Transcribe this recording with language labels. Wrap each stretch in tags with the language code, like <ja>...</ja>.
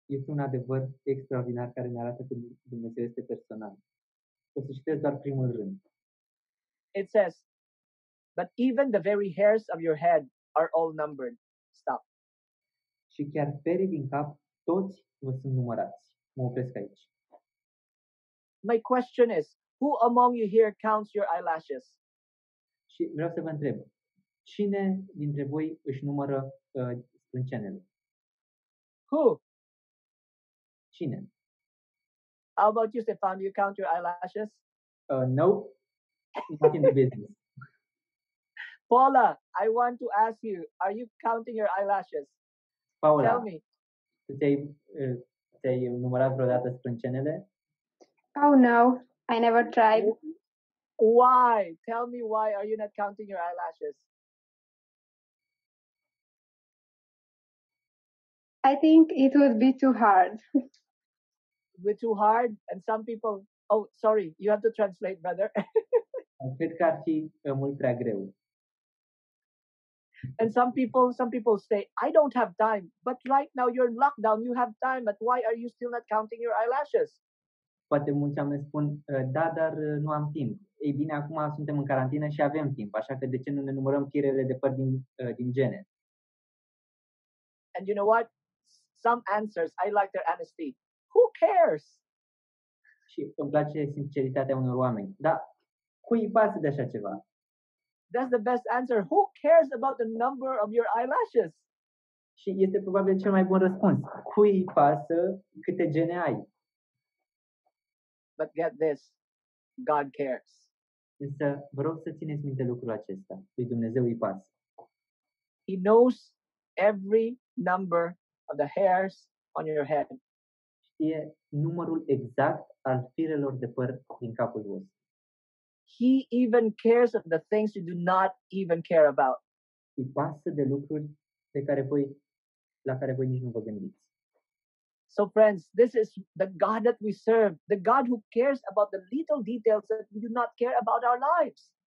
<ro>Este un adevăr extraordinar care ne arată că Dumnezeu este personal. O să citesc doar primul rând.</ro> <en>It says, but even the very hairs of your head are all numbered. Stop.</en> <ro>Și chiar perii din cap, toți vă sunt numărați. Mă opresc aici.</ro> <en>My question is, who among you here counts your eyelashes?</en> <ro>Și vreau să vă întreb, cine dintre voi își numără sprâncenele?</ro> <en>Who?</en> <ro>Cine?</ro> <en>How about you, Stefan? Do you count your eyelashes? No. Not in the business. Paula, I want to ask you, are you counting your eyelashes? Paula, tell me.</en> <ro>Te-ai numărat vreodată sprâncenele?</ro> <en>Oh, no. I never tried. Why? Tell me why are you not counting your eyelashes? I think it would be too hard. It would be too hard? And some people... Oh, sorry, you have to translate, brother.</en> <ro>Cred că ar fi mult prea greu.</ro> <en>And some people say, I don't have time, but right now you're in lockdown, you have time, but why are you still not counting your eyelashes?</en> <ro>Poate mulți oameni spun, da, dar nu am timp. Ei bine, acum suntem în carantină și avem timp, așa că de ce nu ne numărăm firele de păr din gene?</ro> <en>And you know what? Some answers, I like their honesty. Who cares?</en> <ro>Și îmi place sinceritatea unor oameni. Da, cui îi pasă de așa ceva?</ro> <en>That's the best answer. Who cares about the number of your eyelashes?</en> <ro>Și este probabil cel mai bun răspuns. Cui îi pasă câte gene ai?</ro> <en>But get this. God cares.</en> <ro>Însă vă rog să țineți minte lucrul acesta. Lui Dumnezeu îi pasă.</ro> <en>He knows every number of the hairs on your head.</en> <ro>Știe numărul exact al firelor de păr din capul vostru.</ro> <en>He even cares of the things you do not even care about.</en> <ro>Îi pasă de lucruri la care voi nici nu vă gândiți.</ro> <en>So friends, this is the God that we serve, the God who cares about the little details that we do not care about our lives.</en>